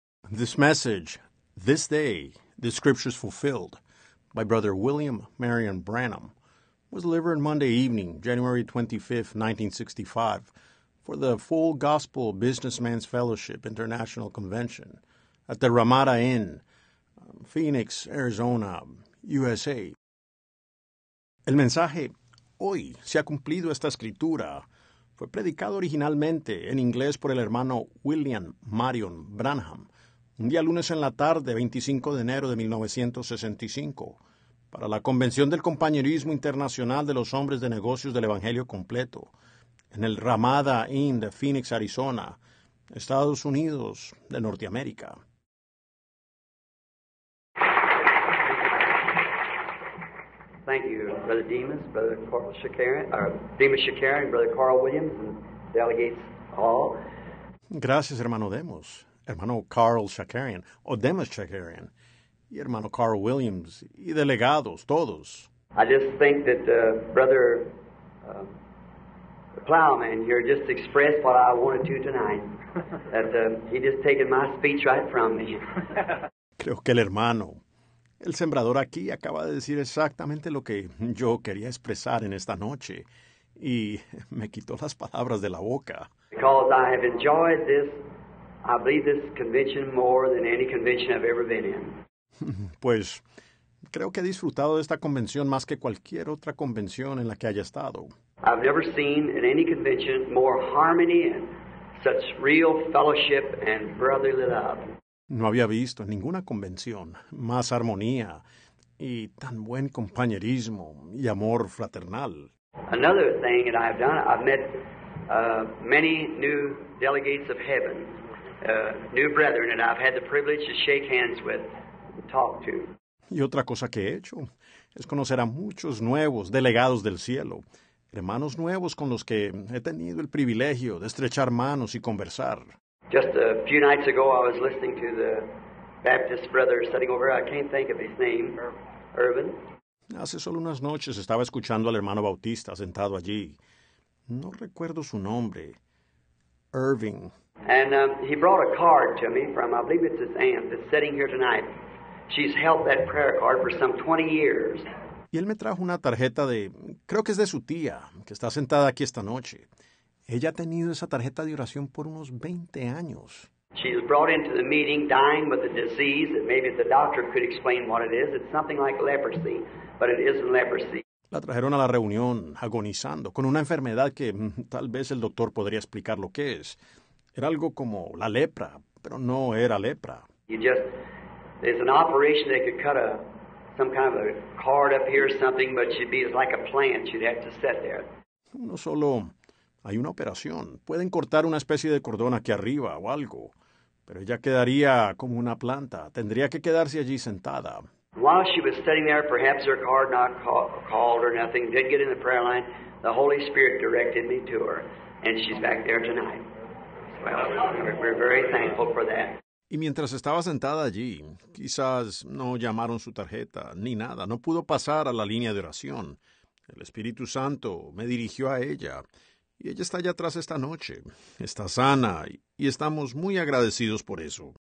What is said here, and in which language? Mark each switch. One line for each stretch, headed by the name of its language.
English: This message, This Day, the Scriptures Fulfilled, by Brother William Marion Branham, was delivered Monday evening, January 25, 1965, for the Full Gospel Businessman's Fellowship International Convention at the Ramada Inn, Phoenix, Arizona, USA.
Spanish: El mensaje, Hoy se ha cumplido esta escritura, fue predicado originalmente en inglés por el hermano William Marion Branham, un día lunes en la tarde, 25 de enero de 1965, para la Convención del Compañerismo Internacional de los Hombres de Negocios del Evangelio Completo, en el Ramada Inn de Phoenix, Arizona, Estados Unidos de Norteamérica.
English: Thank you, Brother Demas, Brother Carl Shakarin, Demas Shakarin, Brother Carl Williams, and delegates all.
Spanish: Gracias, hermano Demas. Hermano Carl Shakarian, o Demas Shakarian, y hermano Carl Williams, y delegados, todos.
English: I just think that Brother Plowman here just expressed what I wanted to tonight. That he just taken my speech right from me.
Spanish: Creo que el hermano, el sembrador aquí, acaba de decir exactamente lo que yo quería expresar en esta noche, y me quitó las palabras de la boca.
English: Because I have enjoyed this. I believe this convention more than any convention I've ever been in.
Spanish: Pues, creo que he disfrutado de esta convención más que cualquier otra convención en la que haya estado.
English: I've never seen in any convention more harmony and such real fellowship and brotherly love.
Spanish: No había visto en ninguna convención más armonía y tan buen compañerismo y amor fraternal.
English: Another thing that I've done, I've met many new delegates of heaven. New brethren, and I've had the privilege to shake hands with, talk to.
Spanish: Y otra cosa que he hecho es conocer a muchos nuevos delegados del cielo, hermanos nuevos con los que he tenido el privilegio de estrechar manos y conversar.
English: Just a few nights ago, I was listening to the Baptist brother sitting over. I can't think of his name. Irvin.
Spanish: Hace solo unas noches estaba escuchando al hermano Bautista sentado allí. No recuerdo su nombre. Irving.
English: And he brought a card to me from, I believe it's his aunt, that's sitting here tonight. She's held that prayer card for some 20 years.
Spanish: Y él me trajo una tarjeta de, creo que es de su tía, que está sentada aquí esta noche. Ella ha tenido esa tarjeta de oración por unos 20 años.
English: She's brought into the meeting dying with a disease that maybe the doctor could explain what it is. It's something like leprosy, but it isn't leprosy.
Spanish: La trajeron a la reunión agonizando con una enfermedad que tal vez el doctor podría explicar lo que es. Era algo como la lepra, pero no era lepra.
English: You just, there's an operation that could cut a, some kind of a card up here or something, but you'd be like a plant, you'd have to sit there.
Spanish: No solo hay una operación, pueden cortar una especie de cordón aquí arriba o algo, pero ella quedaría como una planta, tendría que quedarse allí sentada.
English: While she was sitting there, perhaps her card not called or nothing, did get in the prayer line, the Holy Spirit directed me to her, and she's back there tonight. Well, we're very thankful for that.
Spanish: Y mientras estaba sentada allí, quizás no llamaron su tarjeta ni nada, no pudo pasar a la línea de oración. El Espíritu Santo me dirigió a ella, y ella está allá atrás esta noche. Está sana, y estamos muy agradecidos por eso.